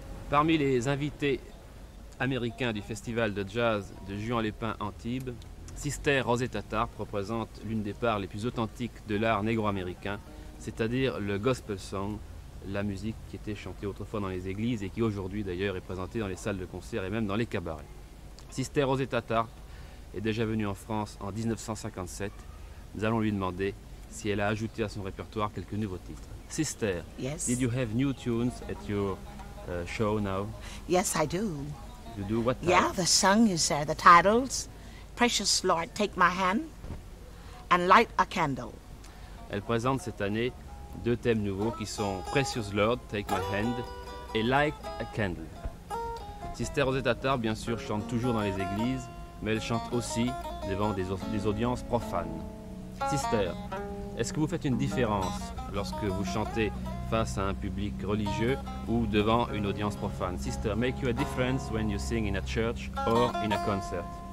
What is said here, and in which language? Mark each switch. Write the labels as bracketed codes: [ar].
[fr] Parmi les invités américains du festival de jazz de Juan-les-Pins Antibes, Sister Rosetta Tharpe représente l'une des parts les plus authentiques de l'art négro-américain, c'est-à-dire le gospel song, la musique qui était chantée autrefois dans les églises et qui aujourd'hui d'ailleurs est présentée dans les salles de concert et même dans les cabarets. Sister Rosetta Tharpe est déjà venue en France en 1957. Nous allons lui demander si elle a ajouté à son répertoire quelques nouveaux titres. [en] Sister, yes. Did you have new tunes at your show now? Yes, I do. You do what type? Yeah, the song is the titles, Precious Lord, Take My Hand, and Light a Candle. [fr] Elle présente cette année deux thèmes nouveaux qui sont Precious Lord, Take My Hand, et Light a Candle. Sister Rosetta Tharpe, bien sûr, chante toujours dans les églises, mais elle chante aussi devant des audiences profanes. Sister, est-ce que vous faites une différence lorsque vous chantez face à un public religieux ou devant une audience profane? [en] Sister, make you a difference when you sing in a church or in a concert?